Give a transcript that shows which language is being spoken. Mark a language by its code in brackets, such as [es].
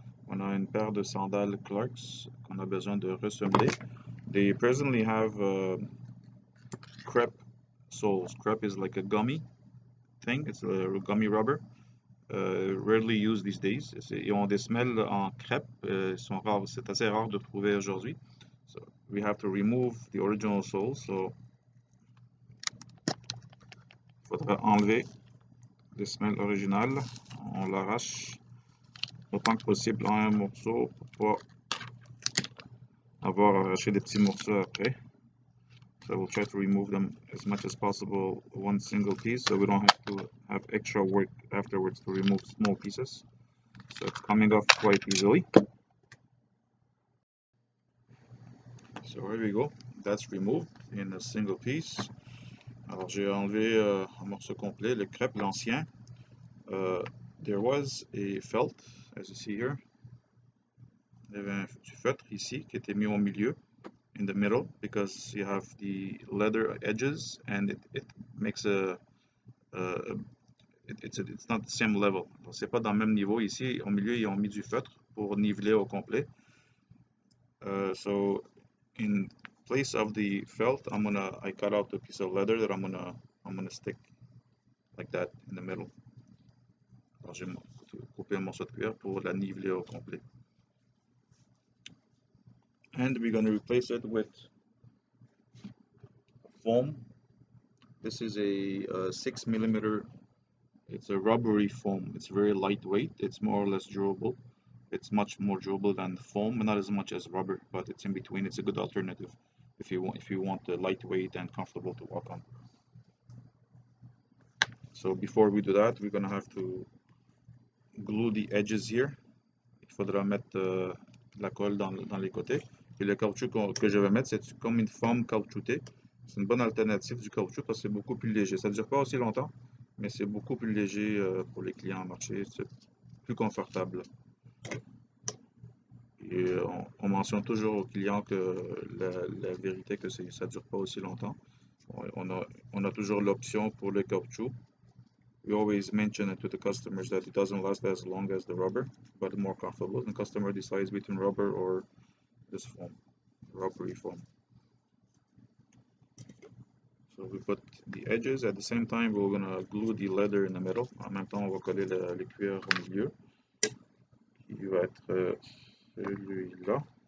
[fr] On a une paire de sandales Clarks qu'on a besoin de ressembler. [en] They presently have crepe soles. Crepe is like a gummy thing, it's a gummy rubber. Rarely used these days. [fr] Ils ont des semelles en crepe, ils sont rares, c'est assez rare de trouver aujourd'hui. [en] So we have to remove the original soles. [fr] So il faudra enlever les semelles originales. On l'arrache autant que possible en un morceau pour pas avoir arraché des petits morceaux après. [en] So we'll try to remove them as much as possible, one single piece, so we don't have to have extra work afterwards to remove small pieces. So it's coming off quite easily. So here we go. That's removed in a single piece. [fr] Alors j'ai enlevé un morceau complet, le crêpe, l'ancien. [en] There was a felt, as you see here. [fr] Il y avait du feutre ici qui était mis au milieu, [en] in the middle, because you have the leather edges and it makes a... it's not the same level. [fr] Donc c'est pas dans le même niveau ici. Au milieu, ils ont mis du feutre pour niveler au complet. [en] So, in place of the felt, I cut out a piece of leather that I'm gonna stick like that in the middle. [fr] Alors j'ai coupé un morceau de cuir pour la niveler au complet. [en] And we're gonna replace it with foam. This is a 6 millimeter. It's a rubbery foam. It's very lightweight. It's more or less durable. It's much more durable than foam, not as much as rubber, but it's in between. It's a good alternative. If you want the lightweight and comfortable to walk on. So before we do that, we're gonna have to glue the edges here. [fr] Il faudra mettre la colle dans les côtés. Et le caoutchouc que je vais mettre, c'est comme une forme caoutchoutée. C'est une bonne alternative du caoutchouc parce que c'est beaucoup plus léger. Ça ne dure pas aussi longtemps, mais c'est beaucoup plus léger pour les clients à marché. C'est plus confortable. Et on mentionne toujours aux clients que la vérité que ça dure pas aussi longtemps. On a toujours l'option pour le caoutchouc. [en] We always mention it to the customers that it doesn't last as long as the rubber, but more comfortable. The customer decides between rubber or this foam, rubbery foam. So we put the edges. At the same time, we're gonna glue the leather in the middle. [fr] En même temps, on va coller le cuir au milieu. Il va être celui-là.